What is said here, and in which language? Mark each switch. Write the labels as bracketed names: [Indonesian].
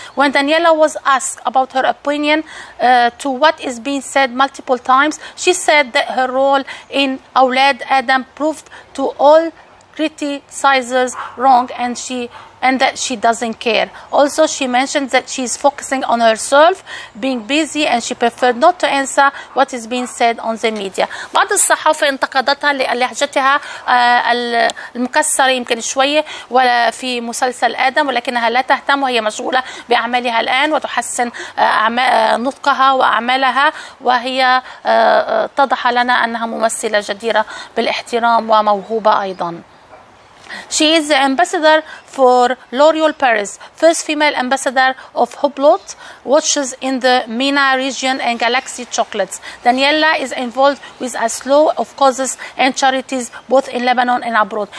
[English] When Dannyella was asked about her opinion to what is being said multiple times, she said that her role in Aulad Adam proved to all criticizers wrong and that she doesn't care. Also, she mentioned that she's focusing on herself, being busy, and she preferred not to answer what is being said on the media. [Arabic] بعض الصحافة انتقدتها للهجتها المكسرة يمكن شوية في مسلسل آدم، ولكنها لا تهتم وهي مشغولة بأعمالها الآن وتحسن نطقها وأعمالها، وهي تضح لنا أنها ممثلة جديرة بالاحترام وموهوبة أيضا. [English] She is the ambassador for L'Oreal Paris, first female ambassador of Hublot watches in the MENA region and Galaxy Chocolates. Dannyella is involved with a slew of causes and charities both in Lebanon and abroad.